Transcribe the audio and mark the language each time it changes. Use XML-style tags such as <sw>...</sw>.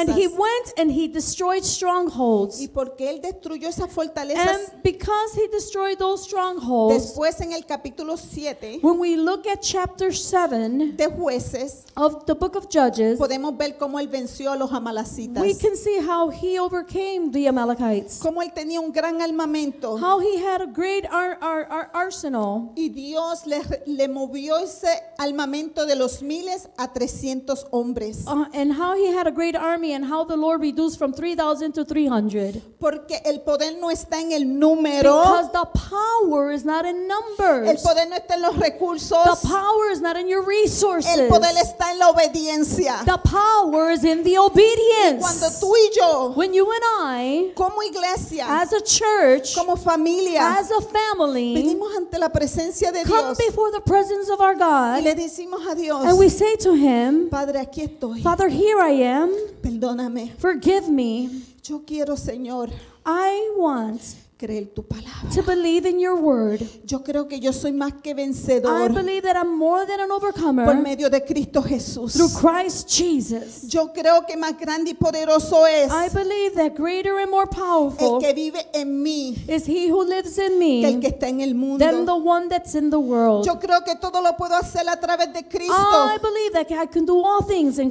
<en>and he went and he destroyed strongholds.</en> <es>Y porque él destruyó esas fortalezas,</es> <en>and because he destroyed those strongholds,</en> <es>después en el capítulo 7,</es> <en>when we look at chapter 7</en> <es>de Jueces,</es> <en>of the book of Judges,</en> <es>podemos ver cómo él venció a los amalecitas.</es> <en>We can see how he overcame the Amalekites,</en> <es>cómo él tenía un gran armamento,</es> <en>how he had a great arsenal,</en> <es>y Dios le movió dio ese armamento de los miles a 300 hombres.</es> <en>And how he had a great army and how the Lord reduced from 3,000 to 300.</en> <es>Porque el poder no está en el número.</es> <en>Because the power is not in numbers.</en> <es>El poder no está en los recursos.</es> <en>The power is not in your resources.</en> <es>El poder está en la obediencia.</es> <en>The power is in the obedience.</en> <es>Y cuando tú y yo,</es> <en>when you and I,</en> <es>como iglesia,</es> <en>as a church,</en> <es>como familia,</es> <en>as a family,</en> <es>venimos ante la presencia de</es> <en>come</en> <es>Dios.</es> <en>Before the presence of our God,</en> <es>y le decimos a Dios,</es> <en>and we say to him,</en> <es>Padre, aquí estoy.</es> <en>Father, here I am.</en> <es>Perdóname.</es> <en>Forgive me.</en> <es>Yo quiero, Señor,</es> <en>I want</en> <es>creer tu palabra.</es> <en>To believe in your word.</en> <es>Yo creo que yo soy más que vencedor.</es> <en>I believe that I'm more than an overcomer.</en> <es>Por medio de Cristo Jesús.</es> <en>Through Christ Jesus.</en> <es>Yo creo que más grande y poderoso es.</es> <en>I believe that greater and more powerful.</en> <es>El que vive en mí.</es> <en>Is he who lives in me.</en> <es>Que el que está en el mundo.</es> <en>Than the one that's in the world.</en> <es>Yo creo que todo lo puedo hacer a través de Cristo.</es> <en>I believe that I can do all things in</en>